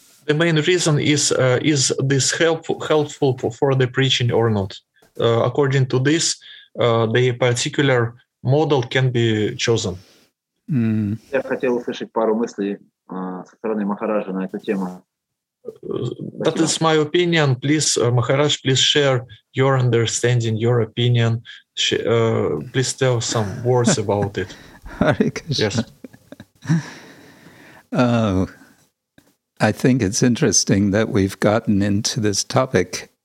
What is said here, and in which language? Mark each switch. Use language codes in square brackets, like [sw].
[en] The main reason is this helpful for the preaching or not. According to this, the particular model can be chosen. [ru] Я хотел услышать пару мыслей со стороны Махараджа на эту тему. [en] That is my opinion. Please, Maharaj, please share your understanding, your opinion. Please tell some words about it. Hare Krishna. Yes. Oh, I think it's interesting that we've gotten into this topic.